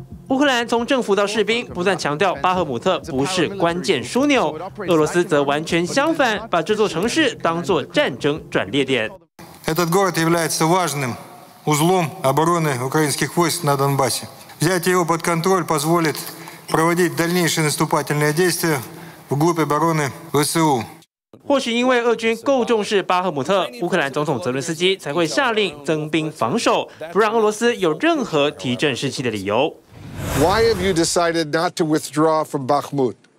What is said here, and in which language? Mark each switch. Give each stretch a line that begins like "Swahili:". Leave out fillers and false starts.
Chinese: 乌克兰从政府到士兵不断强调巴赫姆特不是关键枢纽，俄罗斯则完全相反，把这座城市当作战争转捩点。
Russian: Этот город является важным узлом обороны украинских войск на Донбассе. Взять его под контроль позволит проводить дальнейшие наступательные действия вглубь обороны ВСУ.
Chinese: 或许因为俄军够重视巴赫姆特，乌克兰总统泽伦斯基才会下令增兵防守，不让俄罗斯有任何提振士气的理由。
English: Why have you decided not to withdraw from Bakhmut?